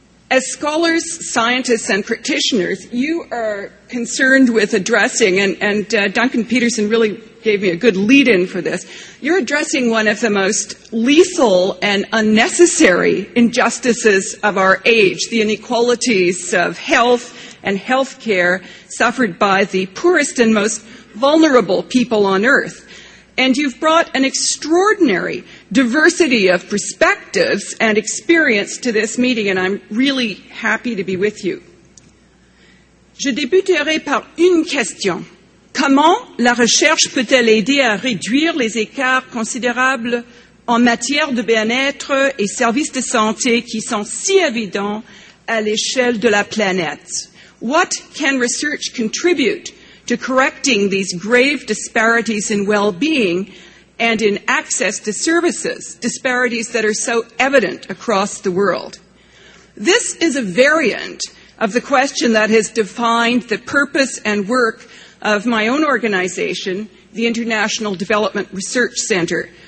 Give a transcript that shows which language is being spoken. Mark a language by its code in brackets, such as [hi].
[en] As scholars, scientists, and practitioners, you are concerned with addressing, and Duncan Peterson really gave me a good lead-in for this, you're addressing one of the most lethal and unnecessary injustices of our age, the inequalities of health and health care suffered by the poorest and most vulnerable people on Earth. And you've brought an extraordinary diversity of perspectives and experience to this meeting, and I'm really happy to be with you. [fr] Je débuterai par une question. Comment la recherche peut-elle aider à réduire les écarts considérables en matière de bien-être et services de santé qui sont si évidents à l'échelle de la planète? [en] What can research contribute to correcting these grave disparities in well-being and in access to services, disparities that are so evident across the world? This is a variant of the question that has defined the purpose and work of my own organization, the International Development Research Center.